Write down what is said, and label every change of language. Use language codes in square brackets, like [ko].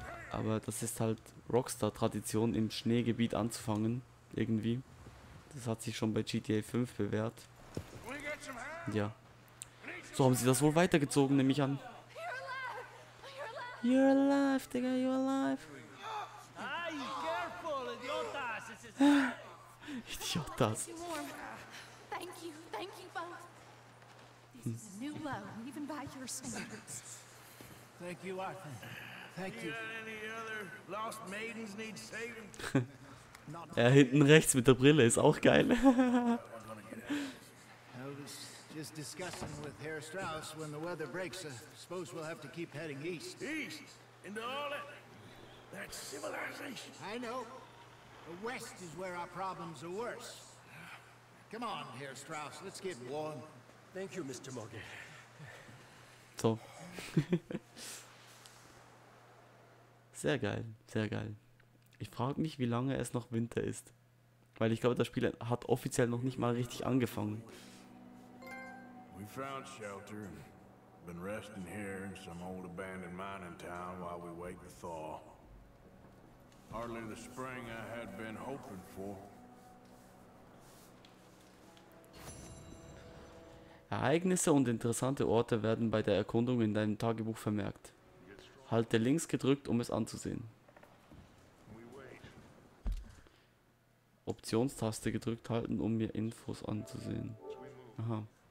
[de] Aber das ist halt Rockstar-Tradition, im Schneegebiet anzufangen. Irgendwie. Das hat sich schon bei GTA 5 bewährt. Ja. So haben sie das wohl weitergezogen, nehme ich an. [en] You're alive, Digga, you're alive. Ah, you careful, idiotas. Idiotas. Thank you, thank you both. This is a new low, even by your standards. Thank you, Arthur. Thank you. You got any other lost maidens need saving? [de] Ja, hinten rechts mit der Brille ist auch geil. [en] I was just discussing with Herr Strauss, when the weather breaks, suppose we'll have to keep heading east. East? Into all that civilization? I know. The west is where our problems are worse. Come on, Herr Strauss, let's get warm. Thank you, Mr. Mogge. So. [de] Sehr geil, sehr geil. Ich frage mich, wie lange es noch Winter ist. Weil ich glaube, das Spiel hat offiziell noch nicht mal richtig angefangen. [en] We found shelter. Been resting here in some old abandoned mining town while we wait the thaw. Hardly the spring I had been hoping for. [de] Ereignisse und interessante Orte werden bei der Erkundung in deinem Tagebuch vermerkt. Halte links gedrückt, um es anzusehen. Optionstaste gedrückt halten, um mir Infos anzusehen. Aha.